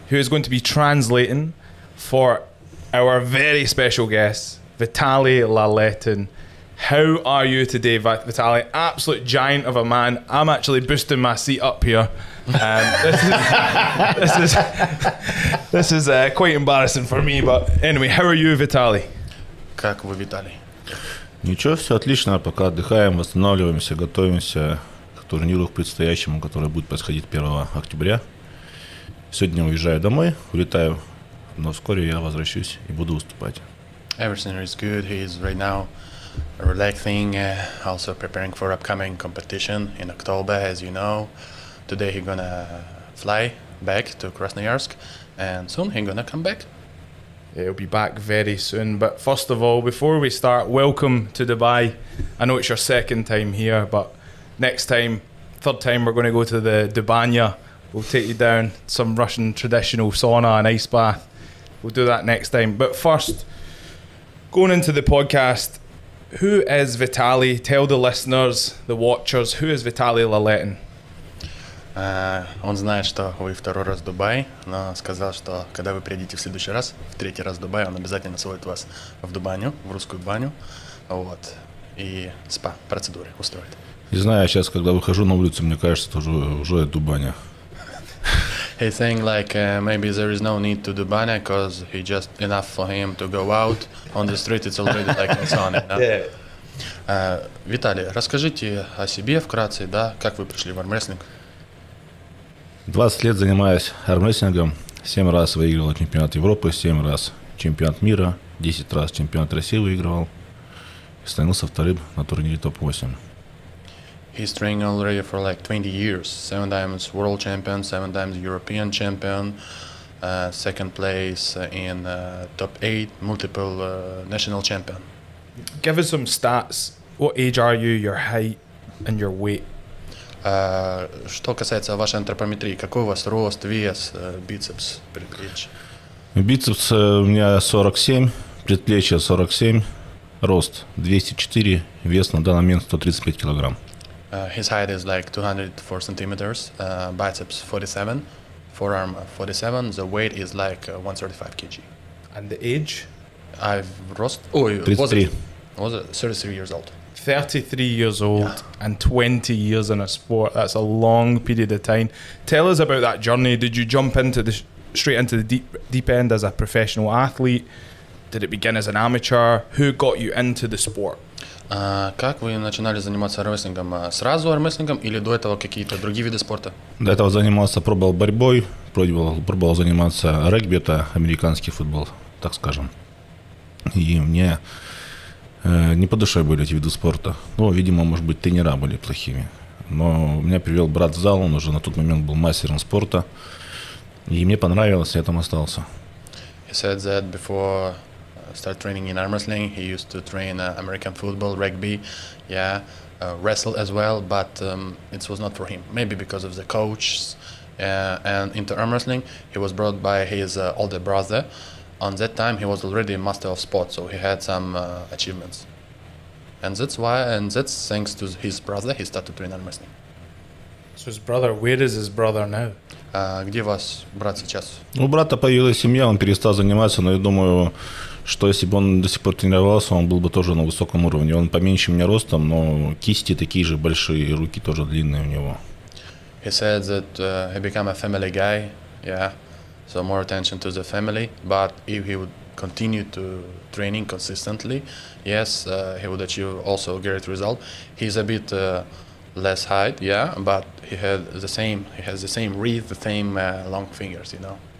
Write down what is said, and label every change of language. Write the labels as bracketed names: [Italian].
[English] Who is going to be translating for our very special guest, Vitaly Laletin. How are you today, Vitaly? Absolute giant of a man. I'm actually boosting my seat up here. This is quite embarrassing for me, but anyway, how are you, Vitaly? [Russian] Как вы, Виталий? Ничего, все отлично. Пока отдыхаем, восстанавливаемся, готовимся к турниру к предстоящему, который будет происходить 1 октября. Сегодня уезжаю домой, улетаю, но вскоре я возвращусь и буду выступать. [English] Everything is good. He is right now relaxing, also preparing for upcoming competition in October, as you know. Today he's gonna fly back to Krasnoyarsk, and soon he's gonna come back. Yeah, he'll be back very soon. But first of all, before we start, welcome to Dubai. I know it's your second time here, but next time, third time, we're gonna go to the Dubanya. We'll take you down some Russian traditional sauna and ice bath. We'll do that next time. But first, going into the podcast, who is Vitaly? Tell the listeners, the watchers, who is Vitaly Laletin? [Russian] Он знает, что вы второй раз в Дубае, но сказал, что когда вы приедете в следующий раз, в третий раз в Дубае, он обязательно сводит вас в Дубаню, в русскую баню, вот, и спа-процедуры устроит. Не знаю, сейчас, когда выхожу на улицу, мне кажется, это уже Дубаня. [English] He's saying like maybe there is no need to Dubania because he just enough for him to go out on the street, it's already like in sauna. Yeah. [Russian] Виталий, расскажите о себе вкратце, да, как вы пришли в армрестлинг? 20 лет занимаюсь армрестлингом, 7 раз выигрывал чемпионат Европы, 7 раз чемпионат мира, 10 раз чемпионат России выигрывал и становился вторым на турнире топ-8. [English] He's training already for like 20 years, 7 times world champion, 7 times European champion, second place in top 8, multiple national champion. Give us some stats, what age are you, your height and your weight? [Russian] Что касается вашей антропометрии, какой у вас рост, вес, бицепс, предплечье? Бицепс у меня 47, предплечье 47, рост 204, вес на данный момент 135 килограмм. [English] His height is like 204 centimeters, biceps 47, forearm 47, the weight is like 135 kg. And the age? Was it 33 years old. 33 years old, yeah. And 20 years in a sport, that's a long period of time. Tell us about that journey. Did you jump into the straight into the deep end as a professional athlete? Did it begin as an amateur? Who got you into the sport? [Russian] Как вы начинали заниматься армрестлингом? Сразу армрестлингом или до этого какие-то другие виды спорта? До этого занимался, пробовал борьбой, пробовал заниматься регби, это американский футбол, так скажем. И мне не по душе были эти виды спорта. Ну, видимо, может быть, тренера были плохими. Но меня привел брат в зал, он уже на тот момент был мастером спорта. И мне понравилось, я там остался. [English] He said that before start training in arm wrestling, he used to train American football, rugby, yeah, wrestle as well, but it was not for him. Maybe because of the coaches. And into arm wrestling, he was brought by his older brother. On that time, he was already a master of sport, so he had some achievements. And that's thanks to his brother, he started doing arm wrestling. So his brother, where is his brother now? [Russian] Где ваш брат сейчас? У брата появилась семья, он перестал заниматься, но я думаю, что если бы он до сих пор тренировался, он был бы тоже на высоком уровне. Он поменьше меня ростом, но кисти такие же большие, руки тоже длинные у него. [English] He said that he became a family guy, yeah. So more attention to the family, but if he would continued to training consistently, yes, he would achieve also a great result. He's a bit less height, yeah, but he had the same, he has the same wreath, the same long fingers, you know.